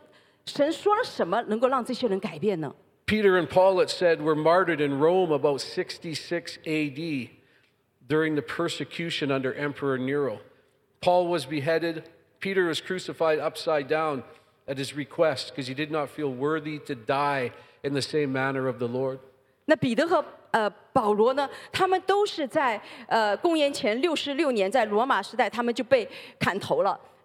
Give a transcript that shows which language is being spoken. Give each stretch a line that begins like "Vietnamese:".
Chinese: 那这些人，他们神说了什么，能够让这些人改变呢？
English: Peter and Paul, it said, were martyred in Rome about 66 AD during the persecution under Emperor Nero. Paul was beheaded. Peter was crucified upside down at his request because he did not feel worthy to die in the same manner of the Lord.
Chinese: 那彼得和保罗呢，他们都是在公元前66年在罗马时代，他们就被砍头了。